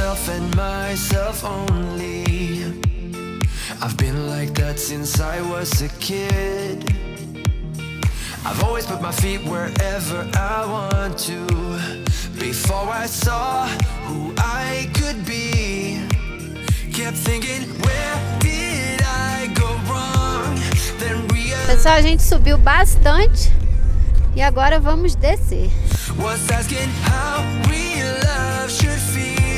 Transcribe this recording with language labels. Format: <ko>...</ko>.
<en>And myself only. I've been like that since I was a kid. I've always put my feet wherever I want to. Before I saw who I could be. Kept thinking, where did I go wrong? Then we are...</en> <pt>Pessoal, a gente subiu bastante e agora vamos descer.</pt> <en>Was asking how we love should feel.</en>